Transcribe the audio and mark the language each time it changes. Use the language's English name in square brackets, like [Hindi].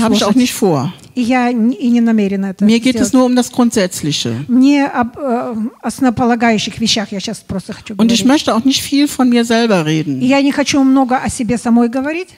[German] Und habe ich auch nicht vor. [Russian] И я и не намерена это [German] Mir geht сделать. Es nur um das Grundsätzliche. [Russian] Мне об основополагающих вещах я сейчас просто хочу [German] говорить. Und ich möchte auch nicht viel von mir selber reden. [Russian] И я не хочу много о себе самой говорить.